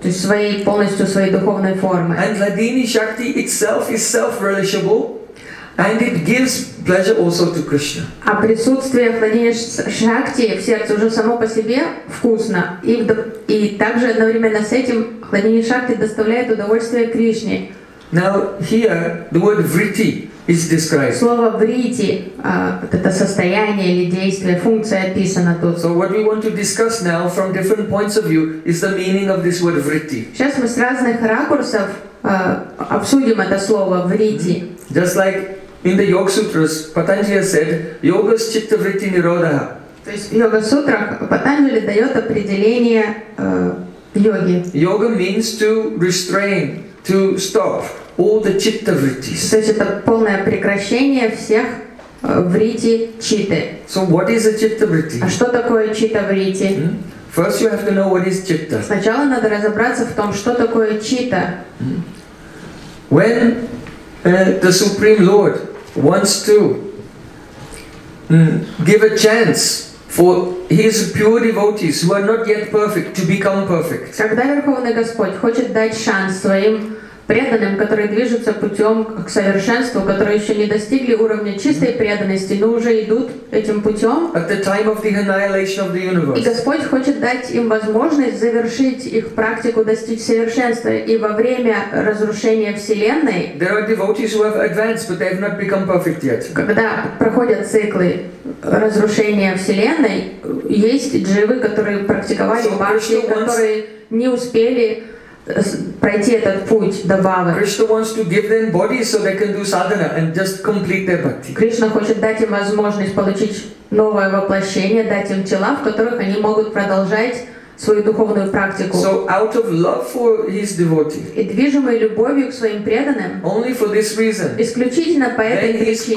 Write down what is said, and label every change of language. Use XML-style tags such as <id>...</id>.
<ru>То есть своей полностью своей духовной формы.</ru> <en>And Ladini Shakti itself is self-relishable, and it gives pleasure also to Krishna.</en> <ru>А присутствие Ладини Шакти в сердце уже само по себе вкусно, и также одновременно с этим Ладини Шакти доставляет удовольствие Кришне.</ru> <en>Now here the word vritti is described.</en> <ru>Слово vritti, это состояние или действие, функция описана тут.</ru> <en>So what we want to discuss now from different points of view is the meaning of this word vritti.</en> <ru>Сейчас мы с разных ракурсов обсудим это слово vritti.</ru> <en>Just like in the Yoga Sutras, Patanjali said,</en> <sa>yogas chitta vritti nirodaha.</sa> <ru>То есть Йога Сутрах Патанджали дает определение йоги.</ru> <en>Yoga means to restrain, to stop all the chitta vrittis.</en> <ru>То есть это полное прекращение всех vritti chitta.</ru> <en>So what is a chitta vritti?</en> <ru>А что такое chitta vritti?</ru> <en>First you have to know what is chitta.</en> <ru>Сначала надо разобраться в том, что такое chitta.</ru> <en>When the Supreme Lord wants to give a chance for his pure devotees who are not yet perfect to become perfect.</en> <ru>Когда Верховный Господь хочет дать шанс своим преданным, которые движутся путем к совершенству, которые еще не достигли уровня чистой преданности, но уже идут этим путем.</ru> <en>At the time of the annihilation of the universe.</en> <ru>И Господь хочет дать им возможность завершить их практику, достичь совершенства. И во время разрушения Вселенной,</ru> <en>there are devotees who have advanced, but they have not become perfect yet.</en> <ru>Когда проходят циклы разрушения Вселенной, есть дживы, которые практиковали бхакти, которые не успели пройти этот путь до бхавы.</ru> <en>Krishna wants to give them bodies so they can do sadhana and just complete their bhakti.</en> <ru>Кришна хочет дать им возможность получить новое воплощение, дать им тела, в которых они могут продолжать свою духовную практику.</ru> <en>So out of love for his devotees.</en> <ru>И движимой любовью к своим преданным.</ru> <en>Only for this reason.</en> <ru>Исключительно по этой причине.</ru>